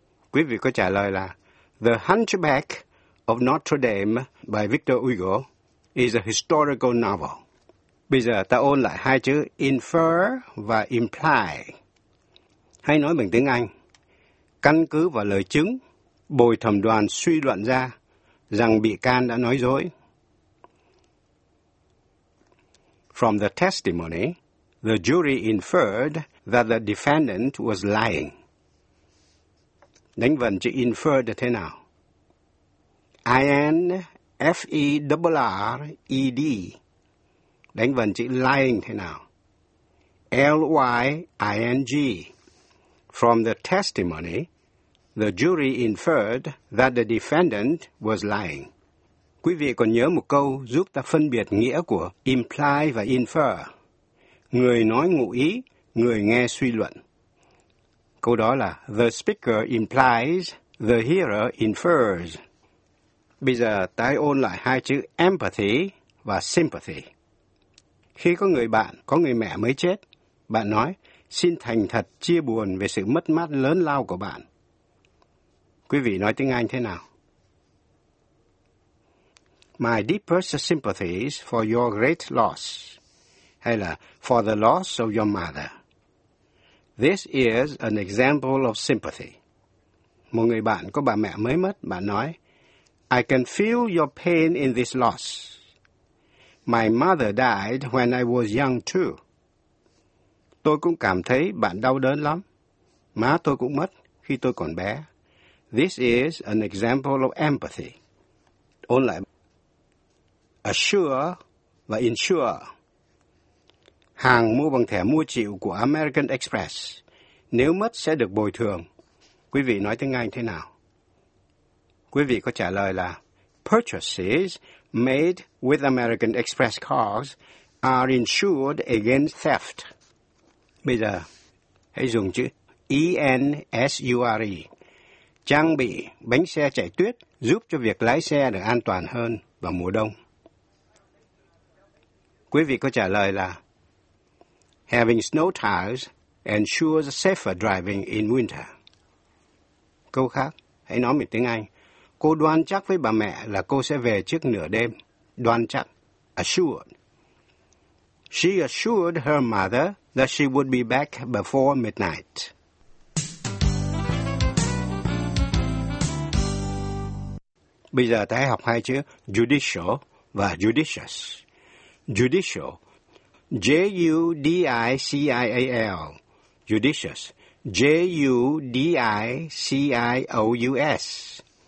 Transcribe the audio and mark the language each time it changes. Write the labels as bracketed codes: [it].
[vi] Quý vị có trả lời là [en] The Hunchback of Notre Dame by Victor Hugo is a historical novel. [vi] Bây giờ ta ôn lại hai chữ infer và imply. Hay nói bằng tiếng Anh, căn cứ vào lời chứng, bồi thẩm đoàn suy luận ra rằng bị can đã nói dối. [en] From the testimony, the jury inferred that the defendant was lying. [vi] Đánh vần chữ infer thế nào? I-N-F-E-R-R-E-D. Đánh vần chữ lying thế nào? [en] L-Y-I-N-G. From the testimony, the jury inferred that the defendant was lying. [vi] Quý vị còn nhớ một câu giúp ta phân biệt nghĩa của imply và infer. Người nói ngụ ý, người nghe suy luận. Câu đó là [en] the speaker implies, the hearer infers. [vi] Bây giờ ta ôn lại hai chữ empathy và sympathy. Khi có người bạn, có người mẹ mới chết, bạn nói, xin thành thật chia buồn về sự mất mát lớn lao của bạn. Quý vị nói tiếng Anh thế nào? [en] My deepest sympathies for your great loss. [vi] Hay là [en] for the loss of your mother. This is an example of sympathy. [vi] Một người bạn có bà mẹ mới mất, bạn nói, [en] I can feel your pain in this loss. My mother died when I was young too. [vi] Tôi cũng cảm thấy bạn đau đớn lắm. Má tôi cũng mất khi tôi còn bé. [en] This is an example of empathy. [vi] Ôn lại. Assure và insure. Hàng mua bằng thẻ mua chịu của American Express. Nếu mất sẽ được bồi thường. Quý vị nói tiếng Anh thế nào? Quý vị có trả lời là [en] purchases made with American Express cards are insured against theft. [vi] Bây giờ, hãy dùng chữ ensure. Trang bị bánh xe chạy tuyết giúp cho việc lái xe được an toàn hơn vào mùa đông. Quý vị có trả lời là [en] having snow tires ensures safer driving in winter. [vi] Câu khác, hãy nói một tiếng Anh. Cô đoan chắc với bà mẹ là cô sẽ về trước nửa đêm. Đoan chắc. Assured. [en] She assured her mother that she would be back before midnight. [vi] Bây giờ ta hãy học hai chữ judicial và judicious. [en] Judicial. J-U-D-I-C-I-A-L. Judicious. J-U-D-I-C-I-O-U-S.